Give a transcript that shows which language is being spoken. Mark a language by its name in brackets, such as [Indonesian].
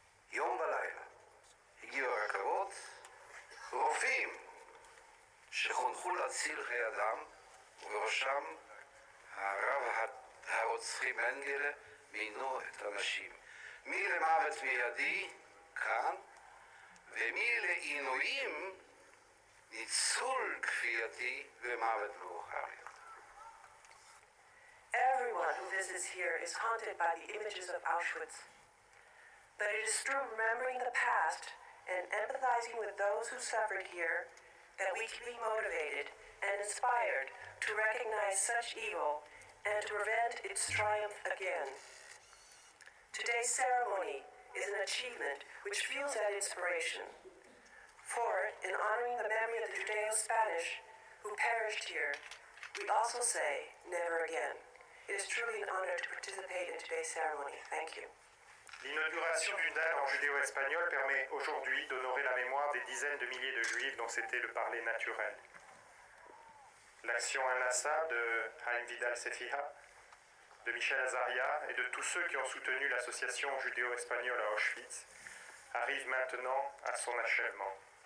[Hebrew] יום ולילה הגיעו הרכבות, רופאים שחונכו להציל חיי אדם, ובראשם הרב הרוצחים אנגלה מינו את הנשים. מי למוות מיידי כאן, ומי לעינויים ניצול כפייתי ומוות מאוחר. [English] Everyone who visits here is haunted by the images of Auschwitz. But it is through remembering the past and empathizing with those who suffered here that we can be motivated and inspired to recognize such evil and to prevent its triumph again. Today's ceremony is an achievement which fuels that inspiration. For, in honoring the memory of the Judeo-Spanish who perished here, we also say never again. It is truly an honor to participate in today's ceremony. Thank you. [French] L'inauguration d'une dalle en judéo-espagnol permet aujourd'hui d'honorer la mémoire des dizaines de milliers de juifs dont c'était le parler naturel. L'action inlassable de Haïm Vidal Sefiha, de Michel Azaria et de tous ceux qui ont soutenu l'association judéo-espagnole à Auschwitz arrive maintenant à son achèvement.